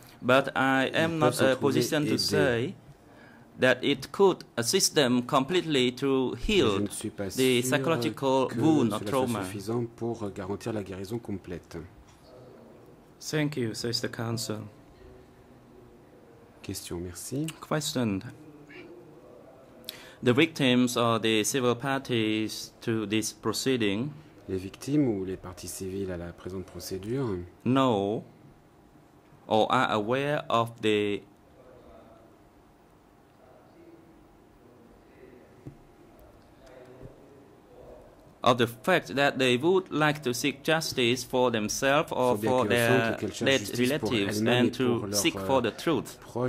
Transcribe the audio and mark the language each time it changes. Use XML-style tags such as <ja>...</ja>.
<en>But I am not in a position to say that it could assist them completely to heal the psychological wound or trauma.</en> <fr>Suffisant pour garantir la guérison complète.</fr> <en>Thank you, says the counsel.</en> <fr>Question, merci. Question.</fr> <en>The victims or the civil parties to this proceeding?</en> <fr>Les victimes ou les parties civiles à la présente procédure?</fr> <en>Know or are aware of the of the fact that they would like to seek justice for themselves or for their dead relatives and to seek for the truth.</en>